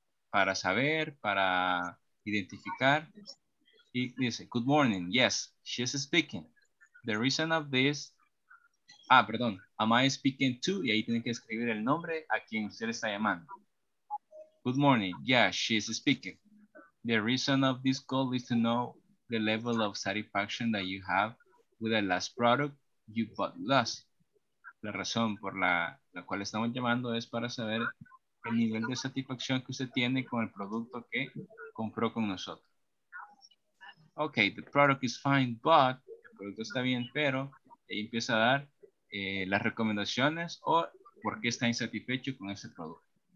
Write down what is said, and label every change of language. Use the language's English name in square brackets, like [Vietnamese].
[Spanish] Para saber, para identificar. Y dice, [English] good morning. Yes, she's speaking. The reason of this. [Spanish] Ah, perdón. [English] Am I speaking to? [Spanish] Y ahí tiene que escribir el nombre a quien usted está llamando. [English] Good morning. Yeah, she's speaking. The reason of this call is to know the level of satisfaction that you have with the last product you bought last. [Spanish] La razón por la cual estamos llamando es para saber el nivel de satisfacción que usted tiene con el producto que compró con nosotros. [English] Okay, the product is fine, but [Spanish] el producto está bien, pero ahí empieza a dar las recomendaciones o por qué está insatisfecho con ese producto.